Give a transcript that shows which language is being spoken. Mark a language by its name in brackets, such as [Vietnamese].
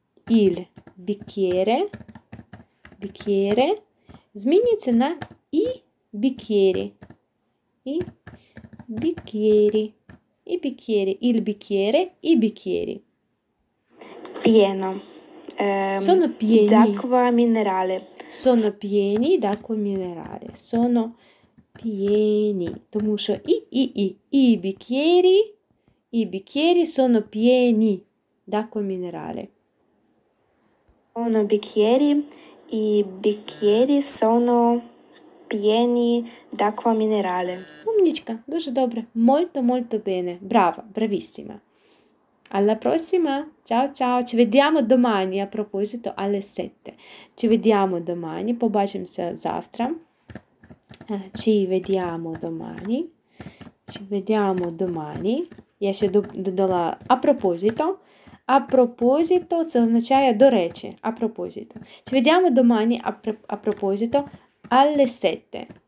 [Italian] «Іль бікєре», «бікєре» [Ukrainian] змінюється на [Italian] «і бікєрі». «І бікєрі», «і бікєрі», «іль бікєре», «і бікєрі». П'єно. Sono pieni. D'acqua minerale. Sono pieni d'acqua minerale. Sono pieni. [Ukrainian] Тому що [Italian] i bicchieri sono pieni d'acqua minerale. Sono bicchieri, i bicchieri sono pieni d'acqua minerale. [Ukrainian] Умничка, дуже добре. [Italian] Molto, molto bene. Brava, bravissima. Alla prossima. Ciao ciao. Ci vediamo domani a proposito alle 7. Ci vediamo domani. [Ukrainian] Побачимося завтра. [Italian] Ci vediamo domani. Ci vediamo domani. [Ukrainian] Я ще додала [Italian] a proposito. A proposito [Ukrainian] це означає до речі. [Italian] A proposito. Ci vediamo domani a proposito alle 7.